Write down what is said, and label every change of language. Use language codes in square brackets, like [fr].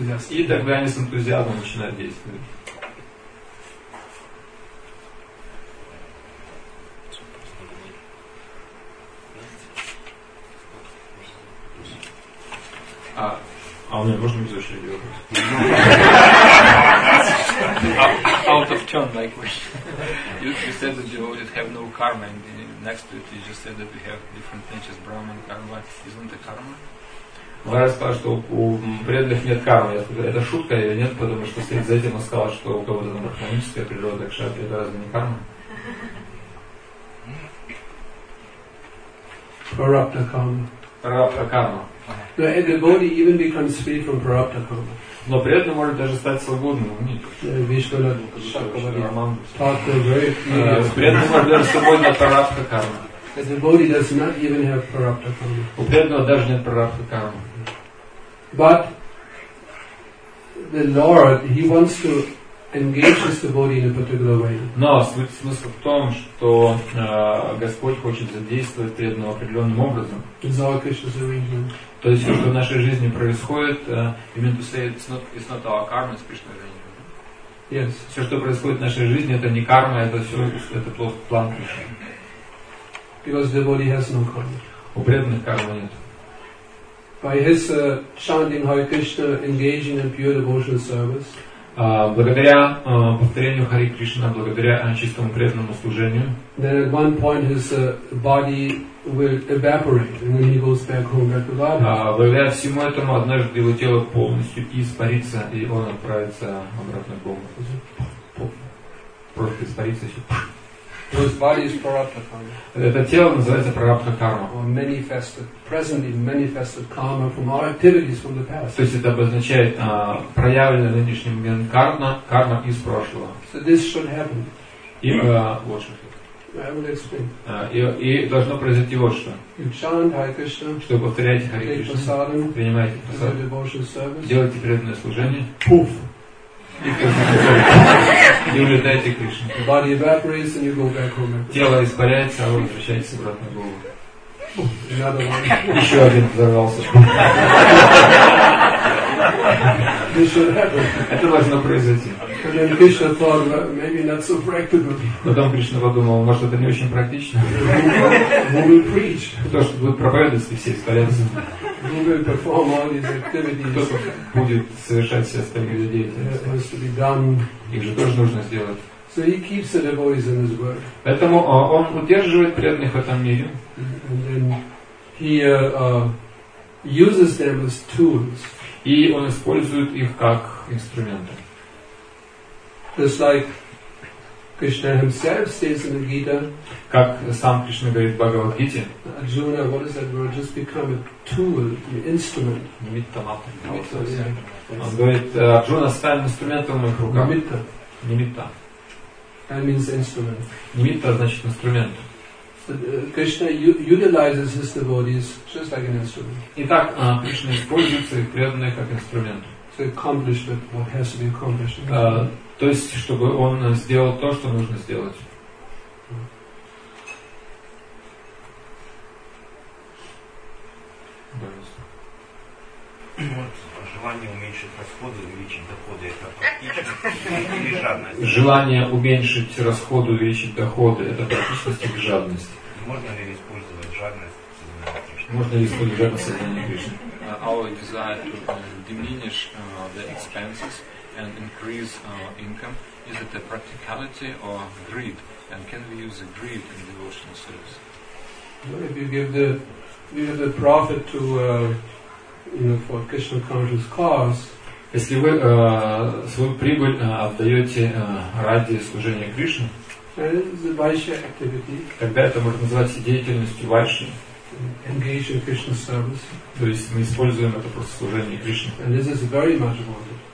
[ru] И тогда они с энтузиазмом начинают действовать. А у меня можно без очереди вопрос? [en] Out of turn, like you said that devotees have no karma, and next to it you just said that we have different natures, brahman, karma. Isn't the karma? [ru] Вайя сказал, что у преданных нет кармы. Это шутка или нет? Потому что стоит за этим, он сказал, что у кого-то там брахманическая природа, кшатри, это разве не карма? [en] Prarabdha karma. Prarabdha karma. No, a devotee even becomes free from prarabdha karma. [ru] Но преданный может даже стать свободным. Преданный может даже свободен от прарабдха карма. [en] A devotee does not even have prarabdha karma. [ru] У преданного даже нет прарабдха карма. [en] But the Lord, He wants to engage His devotee in a particular way. [ru] Но смысл в том, что Господь хочет задействовать преданного определенным образом. [en] It's all Krishna's arrangement. [ru] То есть все, что в нашей жизни происходит, именно [en] say it's not our karma, it's Krishna's arrangement. Yes. [ru] Все, что происходит в нашей жизни, это не карма, это все, это просто план Кришны. [en] Because the devotee has no karma. [ru] У преданных кармы нет. [en] By his chanting Hare Krishna, engaging in pure devotional service. [ru] благодаря повторению Хари Кришна, благодаря чистому преданному служению, [en] then at one point his body will evaporate and then he goes back home back to God. [ru] Благодаря всему этому однажды его тело полностью испарится и он отправится обратно к Богу. Просто испарится все. [en] His body is prarabdha karma. [ru] Это тело называется прарабдха карма. [en] Manifested, presently manifested karma from our activities from the past. [ru] То есть это обозначает проявленная нынешним моментом карма из прошлого. [en] So this should happen. [ru] И вот что. И должно произойти вот что. Чтобы повторять Хари Кришна, принимайте прасадам, делайте преданное служение. Пуф. И улетайте к Кришне. [en] Body evaporates and you go back home. [ru] Тело испаряется, а вы возвращаетесь обратно в голову. [en] Another one. [ru] Еще один взорвался. [en] This should happen. [ru] Это должно произойти. [en] And then Krishna thought, maybe not so practical. [ru] Потом Кришна подумал, может это не очень практично. [en] Who will preach? [ru] Кто же будет проповедовать, если все испарятся? [en] Who will perform all these activities? [ru] Кто будет совершать все остальные деятельности? Их же тоже нужно сделать. [en] So he keeps the devotees in his work. [ru] Поэтому он удерживает преданных в этом мире. [en] And then he uses them as tools. [ru] И он использует их как инструменты. [en] Just like Krishna himself says in the Gita, [ru] как сам Кришна говорит в Бхагавад-гите, [en] Arjuna, what is that word? Just become a tool, an instrument. [sa] Nimitta-mata. [ru] Он говорит, Арджуна, стань инструментом в моих руках. [sa] Nimitta. Nimitta. [en] That means instrument. [ru] Nimitta значит инструмент. [en] Krishna utilizes his devotees just like an instrument. [ru] Итак, Кришна использует своих преданных как инструмент. [en] To accomplish what has to be accomplished. [ru] То есть, чтобы он сделал то, что нужно сделать. Вот, желание уменьшить расходы, увеличить доходы, это практичность или жадность? Желание уменьшить расходы, увеличить доходы, это практичность или жадность? Можно ли использовать жадность? Можно ли использовать жадность от Кришны? [en] Our desire to diminish the expenses and increase income, is it a practicality or greed? And can we use the greed in devotional service? Well, if you give the profit to for Krishna conscious cause, [ru] если вы свою прибыль отдаете ради служения Кришне, [en] then it is a vaishya activity. [ru] Тогда это можно назвать деятельностью вайшьи. [en] Engage in Krishna service. [ru] То есть мы используем это просто служение Кришне. [en] And this is very much wanted.